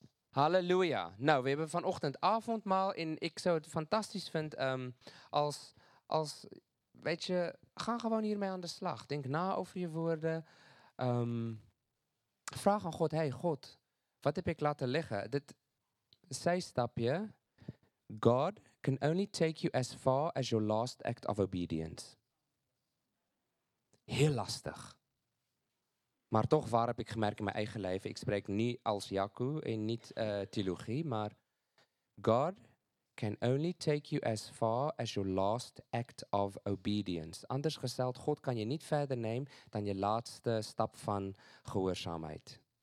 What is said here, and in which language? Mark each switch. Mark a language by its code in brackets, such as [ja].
[nl] Halleluja. Nou, we hebben vanochtend avondmaal en ik zou het fantastisch vinden als, weet je, ga gewoon hiermee aan de slag. Denk na over je woorden. vraag aan God, hey God, wat heb ik laten liggen? Dit zijstapje. [en] God can only take you as far as your last act of obedience. [nl] Heel lastig. Maar toch waar heb ik gemerkt in mijn eigen leven. Ik spreek niet als Jakku en niet theologie, maar God can only take you as far as your last act of obedience. Anders gesteld, God kan je niet verder nemen dan je laatste stap van gehoorzaamheid.